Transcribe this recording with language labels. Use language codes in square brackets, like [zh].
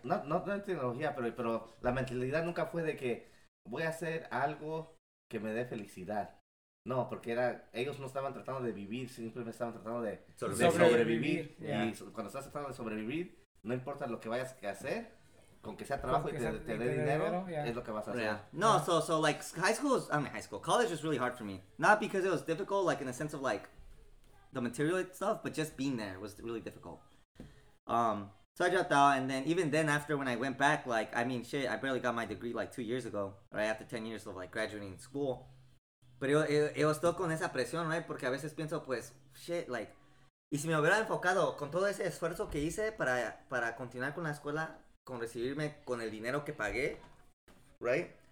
[es] No tenían tecnología, pero la mentalidad nunca fue de que voy a hacer algo que me dé felicidad. No, porque ellos no estaban tratando de vivir, simplemente estaban tratando de sobrevivir. Yeah. Y cuando estás tratando de sobrevivir, no importa lo que vayas a hacer, con que sea trabajo que y te dé dinero, es lo que vas a hacer. [en] Yeah. No, so like college was really hard for me. Not because it was difficult, like in the sense of like the material stuff, but just being there was really difficult. So I dropped out, and then even then after when I went back, like, I mean, shit, I barely got my degree like 2 years ago, right? After 10 years of like graduating school. Pero yo estoy con esa presión, right? [es] Porque a veces pienso, pues, shit, like, y si me hubiera enfocado con todo ese esfuerzo que hice para continuar con la escuela, con recibirme con el dinero que pagué, right?